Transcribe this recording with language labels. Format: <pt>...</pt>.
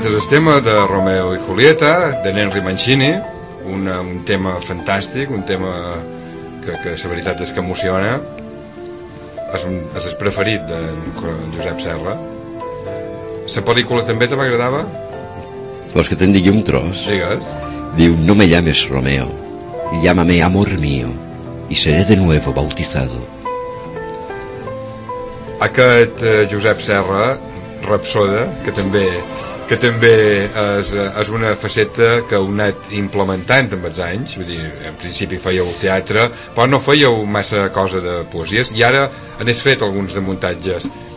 <ca>Tema de Romeo i Julieta, de Henry Mancini, un tema fantàstic, un tema que la veritat és que emociona. És el preferit de Josep Serra. La pel·lícula també te m'agradava? Vols que te'n digui un tros? Digues.</ca> <es>Diu, no me llames Romeo, llámame amor mío y seré de nuevo bautizado.</es> <ca>Aquest Josep Serra, rapsoda, que també és una faceta que heu anat implementant amb els anys, vull dir, en principi fèieu teatre, però no fèieu massa cosa de poesies, i ara n'has fet alguns de muntatges.</ca>